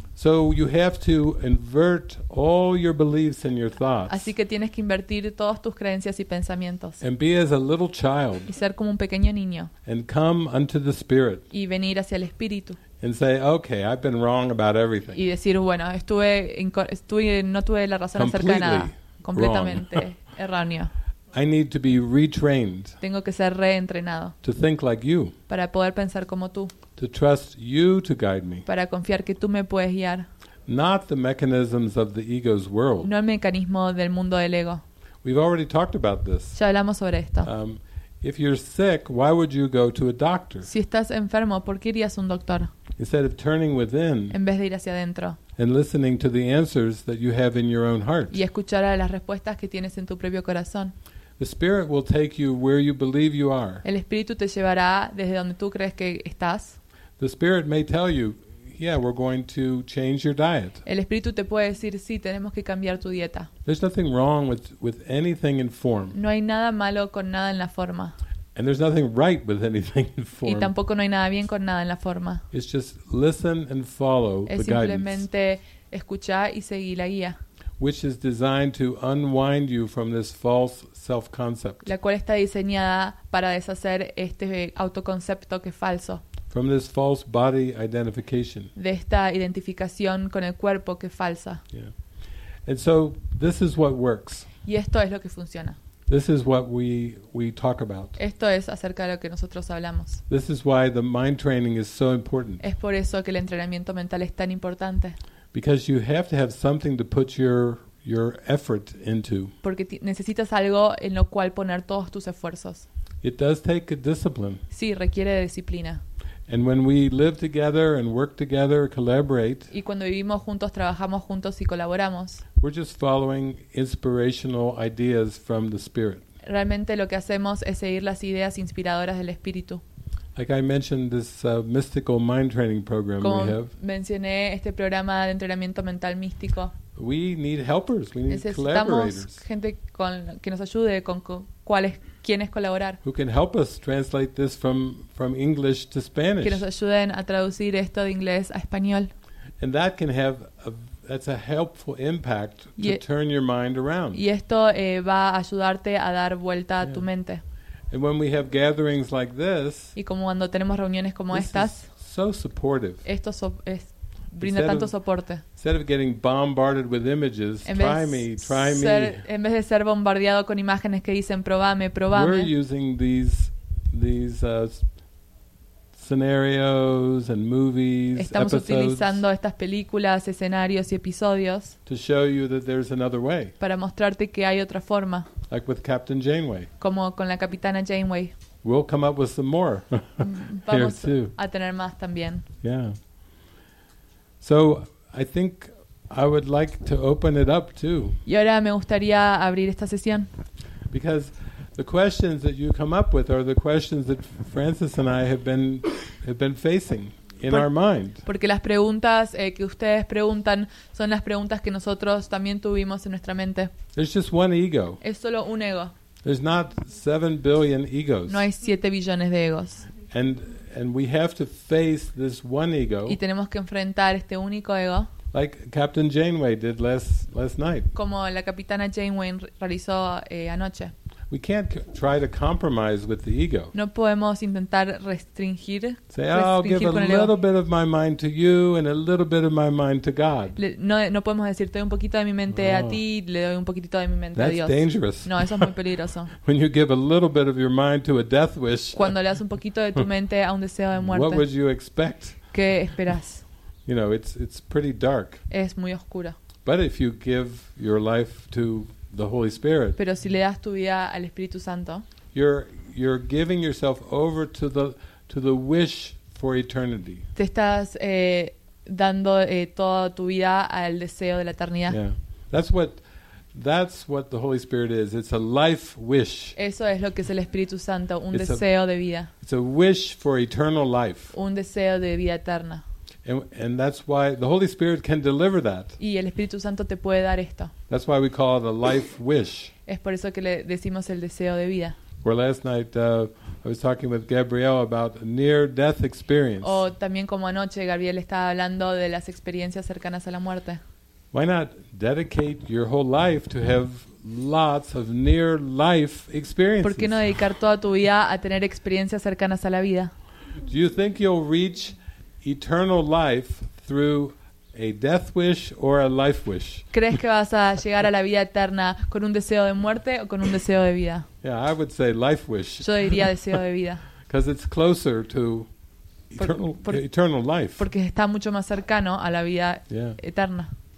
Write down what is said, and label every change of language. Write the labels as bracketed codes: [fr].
[en] So you have to invert all your beliefs and your thoughts. [es] Así que tienes que invertir todas tus creencias y pensamientos. [en] And be as a little child. [es] Y ser como un pequeño niño. [en] And come unto the Spirit. [es] Y venir hacia el Espíritu. [en] And say, okay, I've been wrong about everything. [es] Y decir, bueno, no tuve la razón acerca de nada. Completamente erróneo. [en] I need to be retrained. [es] Tengo que ser reentrenado. [en] To think like you. [es] Para poder pensar como tú. [en] To trust you to guide me. [es] Para confiar que tú me puedes guiar. [en] Not the mechanisms of the ego's world. [es] No el mecanismo del mundo del ego. [en] We've already talked about this. [es] Ya hablamos sobre esto. [en] If you're sick, why would you go to a doctor? [es] Si estás enfermo, ¿por qué irías a un doctor? [en] Instead of turning within. [es] En vez de ir hacia adentro. [en] And listening to the answers that you have in your own heart. [es] Y escuchar a las respuestas que tienes en tu propio corazón. [en] The Spirit will take you where you believe you are. [es] El Espíritu te llevará desde donde tú crees que estás. [en] The Spirit may tell you, yeah, we're going to change your diet. [es] El Espíritu te puede decir, sí, tenemos que cambiar tu dieta. [en] There's nothing wrong with anything in form. [es] No hay nada malo con nada en la forma. [en] And there's nothing right with anything in form. [es] Y tampoco no hay nada bien con nada en la forma. [en] It's just listen and follow [es] es [en] the guidance. [es] Es simplemente escuchar y seguir la guía. [en] Which is designed to unwind you from this false self-concept. [es] La cual está diseñada para deshacer este autoconcepto que es falso. [en] From this false body identification. [es] De esta identificación con el cuerpo que es falsa. [en] Yeah. And so this is what works. [es] Y esto es lo que funciona. [en] This is what we talk about. [es] Esto es acerca de lo que nosotros hablamos. [en] This is why the mind training is so important. [es] Es por eso que el entrenamiento mental es tan importante. [en] Because you have to have something to put your effort into. [es] Porque necesitas algo en lo cual poner todos tus esfuerzos. [en] It does take a discipline. [es] Sí, requiere de disciplina. [en] And when we live together and work together, collaborate. [es] Y cuando vivimos juntos, trabajamos juntos y colaboramos. [en] We're just following inspirational ideas from the Spirit. [es] Realmente lo que hacemos es seguir las ideas inspiradoras del Espíritu. [en] Like I mentioned this mystical mind training program [es] como [en] we have. [es] Mencioné este programa de entrenamiento mental místico. [en] We need helpers. We need [es] necesitamos [en] collaborators. [es] Gente con que nos ayude con cuáles. ¿Quién es colaborar? [en] Who can help us translate this from English to Spanish? [es] Que nos ayuden a traducir esto de inglés a español. [en] And that can have that's a helpful impact to turn your mind around. [es] Y esto va a ayudarte a dar vuelta a tu mente. [en] And when we have gatherings like this, [es] y como cuando tenemos reuniones como [en] this [es] estas, [en] is so supportive. [es] Esto es brinda tanto soporte. [en] Instead of getting bombarded with images, try me. [es] En vez de ser bombardeado con imágenes que dicen probame. [en] We're using these scenarios and movies. [es] Estamos utilizando estas películas, escenarios y episodios. [en] To show you that there's another way. [es] Para mostrarte que hay otra forma. [en] Like with Captain Janeway. [es] Como con la Capitana Janeway. [en] We'll come up with some more. [es] Vamos a tener más también. [en] Yeah. So I think I would like to open it up too. [es] Y ahora me gustaría abrir esta sesión. [en] Because the questions that you come up with are the questions that Francis and I have been facing in our mind. [es] Porque las preguntas que ustedes preguntan son las preguntas que nosotros también tuvimos en nuestra mente. [en] There's just one ego. [es] Es solo un ego. [en] There's not 7 billion egos. [es] No hay 7 billones de egos. [en] And we have to face this one ego. [es] Y tenemos que enfrentar este único ego. [en] Like Captain Janeway did last night. [es] Como la Capitana Janeway realizó anoche. [en] We can't try to compromise with the ego. [es] No podemos intentar restringir. [en] Say, I'll give a little bit of my mind to you and a little bit of my mind to God. [es] No podemos decir, te doy un poquito de mi mente a ti, le doy un poquitito de mi mente a Dios. [en] That's dangerous. [es] No, eso es muy peligroso. [en] When you give a little bit of your mind to a death wish. [es] Cuando le das un poquito de tu mente a un deseo de muerte. [en] What would you expect? [es] ¿Qué esperas? [en] You know, it's pretty dark. [es] Es muy oscuro. [en] But if you give your life to the Holy Spirit. [es] Pero si le das tu vida al Espíritu Santo. [en] You're giving yourself over to the wish for eternity. [es] Te estás dando toda tu vida al deseo de la eternidad. [en] Yeah. That's what the Holy Spirit is. It's a life wish. [es] Eso es lo que es el Espíritu Santo, un deseo de vida. [en] It's a wish for eternal life. [es] Un deseo de vida eterna. [en] And that's why the Holy Spirit can deliver that. [es] Y el Espíritu Santo te puede dar esto. [en] That's why we call it a life wish. [es] Es por eso que le decimos el deseo de vida. [en] Where last night I was talking with Gabrielle about a near-death experience. [es] O también como anoche Gabriel estaba hablando de las experiencias cercanas a la muerte. [en] Why not dedicate your whole life to have lots of near-life experiences? [es] ¿Por qué no dedicar toda tu vida a tener experiencias cercanas a la vida? [en] Do you think you'll reach eternal life through a death wish or a life wish? [es] ¿Crees que vas a llegar a la vida eterna con un deseo de muerte o con un deseo de vida? [en] Yeah, I would say life wish. [es] Yo diría deseo de vida. [en] Because it's closer to eternal life. [es] Porque está mucho más cercano a la vida eterna.